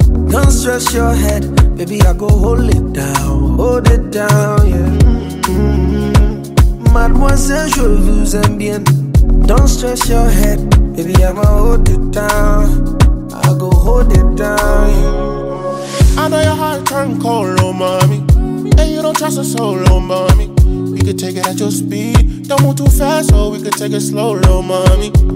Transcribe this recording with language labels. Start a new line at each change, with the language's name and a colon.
English: Don't stress your head, baby, I go hold it down, yeah.
French: Mademoiselle, je vous aime bien.
English: Don't stress your head, baby, I'ma hold it down. I go hold it down. I know your heart turned cold, oh mommy. And you don't trust a soul, oh mommy. We could take it at your speed. Don't move too fast, or we could take it slow, oh mommy.